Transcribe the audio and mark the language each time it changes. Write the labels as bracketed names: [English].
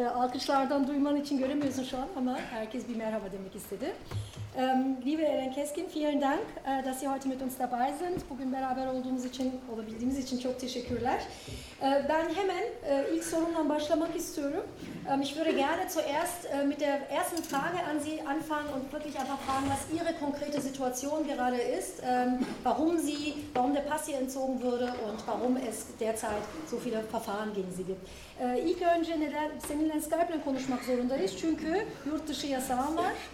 [Turkish] Alkışlardan duyman için göremiyorsun şu an ama herkes bir merhaba demek istedi. [German] Liebe Ellen Keskin, vielen Dank, dass Sie heute mit uns dabei sind. [Turkish] Bugün beraber olduğumuz için, olabildiğimiz için çok teşekkürler. Ben hemen ilk sorumdan başlamak istiyorum. [German] Ich würde gerne zuerst mit der ersten Frage an Sie anfangen und wirklich einfach fragen, was Ihre konkrete Situation gerade ist, warum der Pass hier entzogen wurde und warum es derzeit so viele Verfahren gegen Sie gibt. [Turkish] İlk önce neden seninle Skype ile konuşmak zorundayız? Çünkü yurt dışı yasağım var.